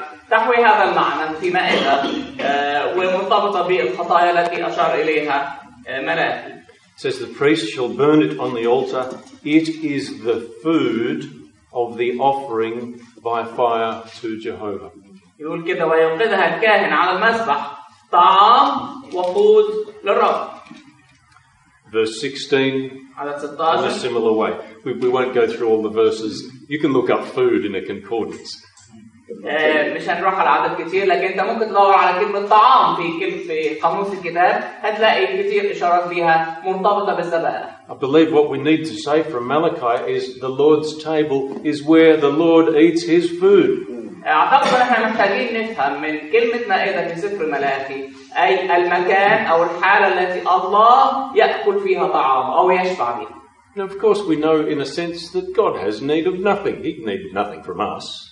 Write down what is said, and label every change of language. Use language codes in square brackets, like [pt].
[ar] تحوي هذا المعنى في مائدة ومرتبطة بالخطايا التي أشار إليها ملاكي. [en] Says the priest shall burn it on the altar. It is the food of the offering by fire to Jehovah. [ar] يقول كده ويوقدها الكاهن على المسبح طعام وقود للرب. [en] Verse 16. In a similar way, we won't go through all the verses. You can look up food in a concordance. [ar] مش هنروح على عدد كتير لكن انت ممكن تدور على كلمة طعام في قاموس الكتاب هتلاقي كتير اشارات ليها مرتبطة بالذبائح. [en] I believe what we need to say from Malachi is the Lord's table is where the Lord eats his food. [ar] اعتقد ان احنا محتاجين نفهم من كلمة مائدة في سفر ملاكي اي المكان او الحالة التي الله يأكل فيها طعام او يشبع بها. [en] And of course we know in a sense that God has need of nothing. He needed nothing from us.